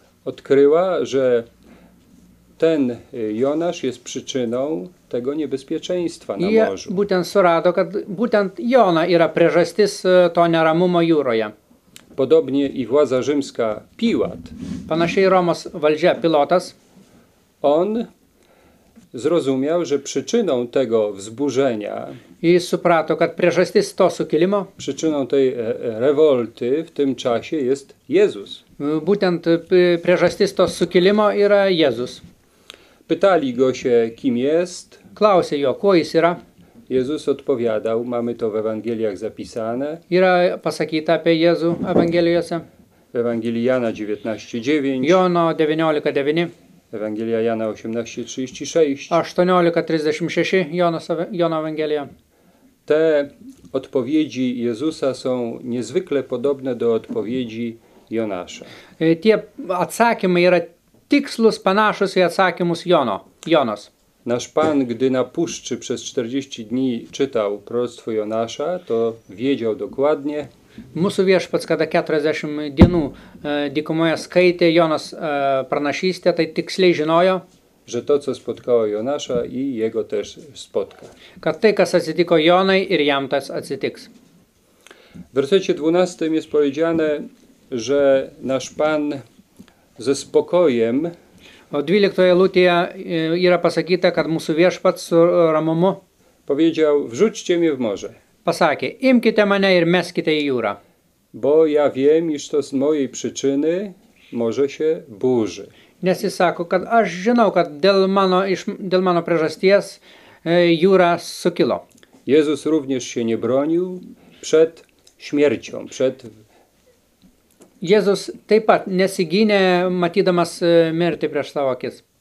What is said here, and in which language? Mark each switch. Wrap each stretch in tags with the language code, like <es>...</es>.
<pl>odkryła, że ten Jonasz jest przyczyną tego niebezpieczeństwa na morzu.</pl> <lt>I būtent surado, kad būtent Jona yra priežastis to neramumo jūroje.</lt> <pl>Podobnie i władza rzymska Piłat.</pl> <lt>Panašiai Romos valdžia Pilotas.</lt> <pl>On zrozumiał, że przyczyną tego wzburzenia</pl> <lt>i suprato, kad priežastis to sukilimo,</lt> <pl>przyczyną tej rewolty w tym czasie jest Jezus.</pl> <lt>Būtent priežastis to sukilimo yra Jezus.</lt> <pl>Pytali go się, kim jest.</pl> <lt>Klausė jo, kuo jis yra.</lt> <pl>Jezus odpowiadał, mamy to w Ewangeliach zapisane.</pl> <lt>Yra pasakyta apie Jezu Ewangelijose.</lt> <pl>Ewangelii Jana 19:9.</pl> <lt>Jono 19:9.</lt> <pl>Ewangelia Jana 18:36.</pl> <lt>18:36 Jono Ewangelia.</lt> <pl>Te odpowiedzi Jezusa są niezwykle podobne do odpowiedzi Jonasza.</pl> <lt>Tie atsakymy yra tikslus panašus į atsakymus Jonos.</lt> <pl>Nasz Pan, gdy na puszczy przez 40 dni czytał proroctwo Jonasza, to wiedział dokładnie.</pl> <lt>Mūsų viešpats, kada 40 dienų dykumoje skaitė Jonas pranašystę, tai tiksliai žinojo,</lt> <pl>że to, co spotkało Jonasza i jego też spotka.</pl> <lt>Kad tai, kas atsitiko Jonai ir jam tas atsitiks.</lt> <pl>W wersecie 12 jest powiedziane, że nasz Pan ze spokojem.</pl> <lt>O 12 eilutėje yra pasakyta, kad mūsų viešpats su ramumu</lt> <pl>powiedział, wrzućcie mnie w morze.</pl> <lt>Pasakė, imkite mane ir meskite į jūrą.</lt> <pl>Bo ja wiem, iż to z mojej przyczyny może się burzy.</pl> <lt>Nes jis sako, kad aš žinau, kad dėl mano priežasties jūra sukilo.</lt> <pl>Jezus również się nie bronił przed śmiercią, przed</pl> <lt>Jezus taip pat nesigynė, matydamas mirtį prieš savo akis.</lt>